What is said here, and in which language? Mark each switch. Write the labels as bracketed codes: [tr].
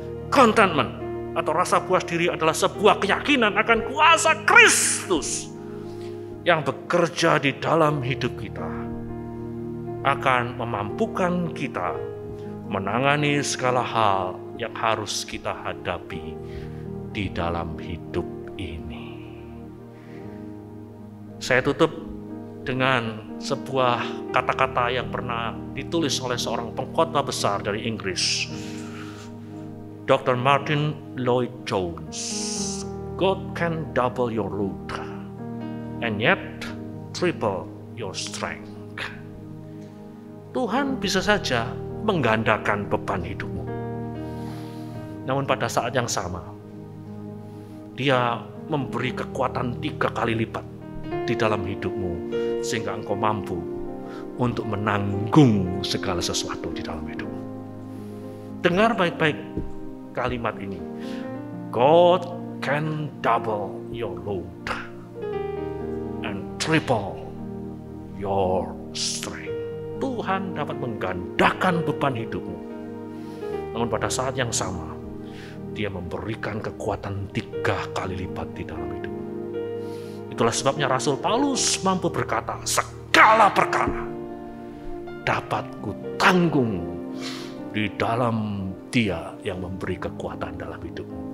[id] Contentment atau rasa puas diri adalah sebuah keyakinan akan kuasa Kristus yang bekerja di dalam hidup kita, akan memampukan kita menangani segala hal yang harus kita hadapi di dalam hidup ini. Saya tutup dengan sebuah kata-kata yang pernah ditulis oleh seorang pengkhotbah besar dari Inggris, Dr. Martin Lloyd-Jones. [en] God can double your load and yet triple your strength. [id] Tuhan bisa saja menggandakan beban hidupmu, namun pada saat yang sama Dia memberi kekuatan 3 kali lipat di dalam hidupmu, sehingga engkau mampu untuk menanggung segala sesuatu di dalam hidupmu. Dengar baik-baik kalimat ini. [en] God can double your load and triple your strength. [id] Tuhan dapat menggandakan beban hidupmu, namun pada saat yang sama Dia memberikan kekuatan 3 kali lipat di dalam hidupmu. Itulah sebabnya Rasul Paulus mampu berkata, segala perkara dapat kutanggung di dalam Dia yang memberi kekuatan dalam hidupmu.